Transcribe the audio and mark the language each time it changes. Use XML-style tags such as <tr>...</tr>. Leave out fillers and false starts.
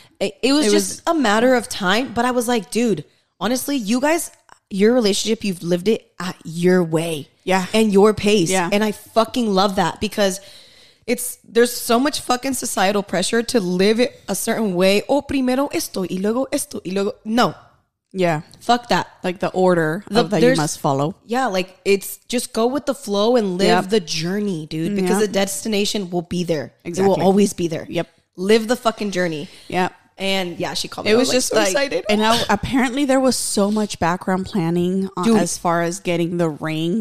<en>It was a matter of time. But I was like, dude, honestly, you guys, your relationship, you've lived it at your way. Yeah. And your pace. Yeah. And I fucking love that, because there's so much fucking societal pressure to live it a certain way.</en> <es>Oh, primero esto y luego esto y luego.</es> <en>No. Yeah. Fuck that. Like the order that you must follow. Yeah. Like, it's just go with the flow and live yep. the journey, dude. Because yep. the destination will be there. Exactly. It will always be there. Yep. Live the fucking journey. Yep. And yeah, she called me. I was just so excited. And now apparently there was so much background planning as far as getting the ring.</en>